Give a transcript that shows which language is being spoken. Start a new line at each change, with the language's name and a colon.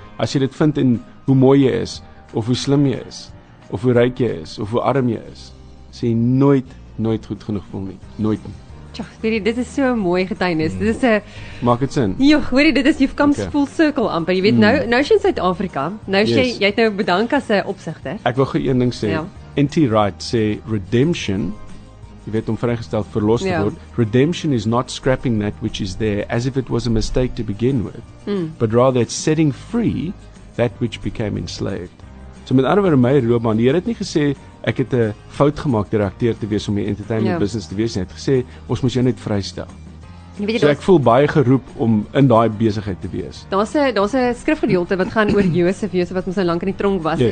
Afrikaans: As jy dit vind in hoe mooi jy is, of hoe slim jy is, of hoe ryk jy is, of hoe arm jy is, sê jy nooit, nooit goed genoeg voel nie. Nooit nie. Tja, hoorie, dit is so mooi getuienis. Dit is 'n... Maak het sin? Jo, hoorie, dit is,
English: you've come okay. Full circle
Afrikaans: amper. Jy weet, nou is jy in Suid-Afrika, nou is jy het nou bedank as 'n opsigter. Ek wil gou een ding sê. Ja. N.T.
English: Wright sê, redemption,
Afrikaans: jy weet om vrygesteld verlos te word,
English: redemption is not scrapping that which is there as if it was a mistake to begin with, but rather it's setting free that which became enslaved.
Afrikaans: So met ander woorde, my roepman, die Here het nie gesê, ek het 'n fout gemaak deur akteur te wees om die entertainment business te wees, en het gesê, ons moet jou net vrystel. So ek voel baie geroep om in daai besigheid te wees. Daar's 'n skrifgedeelte wat gaan oor Josef wat ons so lank in die tronk was,
English: yes.